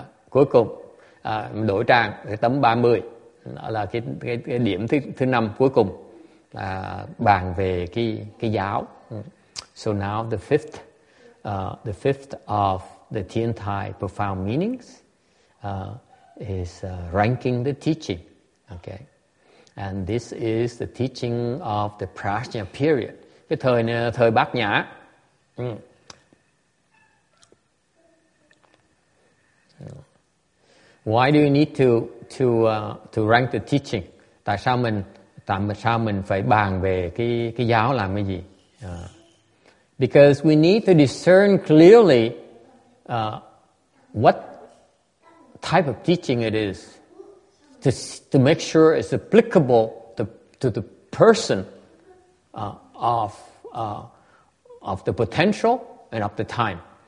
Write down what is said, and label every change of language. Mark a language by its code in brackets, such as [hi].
[vi] Cuối cùng, đổi trang cái tấm 30. Đó là cái điểm thứ năm cuối cùng là bàn về cái giáo. [en] So now the fifth of the Tien Thai profound meanings is ranking the teaching. Okay. And this is the teaching of the Prajna period. [vi] Cái thời này là thời Bát Nhã. [en] Why do you need to rank the teaching? [vi] Tại sao mình phải bàn về cái giáo làm cái gì? [en] Because we need to discern clearly what type of teaching it is to make sure it's applicable to the person of the potential and of the time.